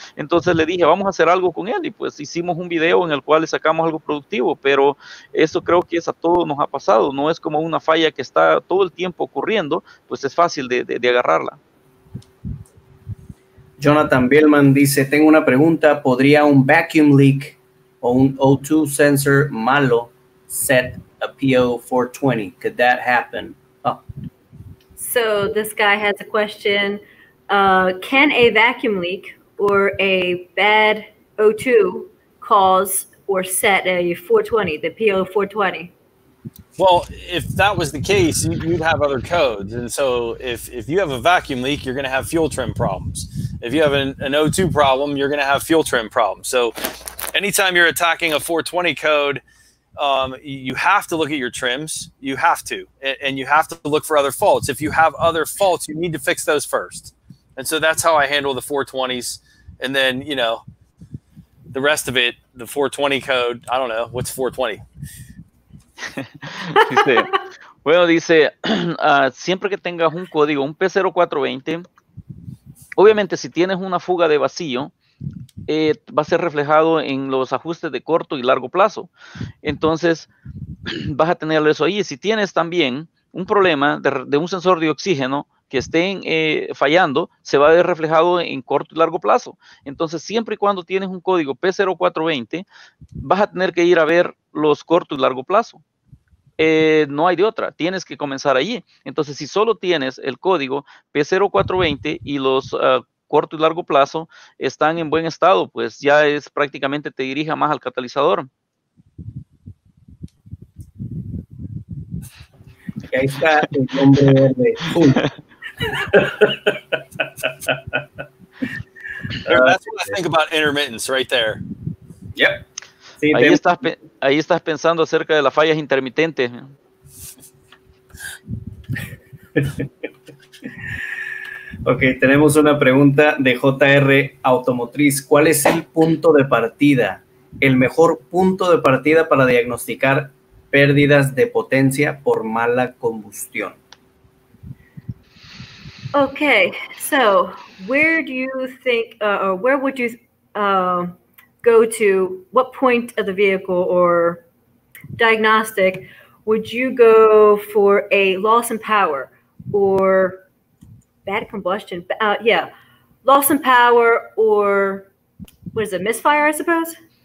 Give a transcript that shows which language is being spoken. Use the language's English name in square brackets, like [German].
[Spanish] Entonces le dije, vamos a hacer algo con él, y pues hicimos un video en el cual le sacamos algo productivo, pero eso creo que es a todos nos ha pasado, no es como una falla que está todo el tiempo ocurriendo, pues es fácil de agarrarla. Jonathan Billman dice, tengo una pregunta, ¿podría un vacuum leak o un O2 sensor malo set a PO420? [English] Could that happen? Oh. So this guy has a question, can a vacuum leak or a bad O2 cause or set a 420, the PO420? Well, if that was the case, you'd have other codes. And so if you have a vacuum leak, you're going to have fuel trim problems. If you have an O2 problem, you're going to have fuel trim problems. So anytime you're attacking a 420 code, you have to look at your trims. You have to, and you have to look for other faults. If you have other faults, you need to fix those first. And so that's how I handle the 420s. And then, you know, the rest of it, the 420 code, I don't know. What's 420? [Spanish] Dice, bueno, dice, siempre que tengas un código, un P0420, obviamente si tienes una fuga de vacío, va a ser reflejado en los ajustes de corto y largo plazo. Entonces, vas a tener eso ahí. Si tienes también un problema de un sensor de oxígeno que esté fallando, se va a ver reflejado en corto y largo plazo. Entonces, siempre y cuando tienes un código P0420, vas a tener que ir a ver los corto y largo plazo. No hay de otra. Tienes que comenzar allí. Entonces, si solo tienes el código P0420 y los corto y largo plazo están en buen estado, pues ya es prácticamente te dirija más al catalizador. Y ahí está el hombre verde. [English] That's what I think about intermittence right there. Yep. [Spanish] Sí, ahí, estás pensando acerca de las fallas intermitentes. Ok, tenemos una pregunta de JR Automotriz. ¿Cuál es el punto de partida? ¿El mejor punto de partida para diagnosticar pérdidas de potencia por mala combustión? [English] Ok, so where do you think, or where would you go to, what point of the vehicle or diagnostic would you go for a loss in power or bad combustion, loss in power or what is it, misfire, I suppose?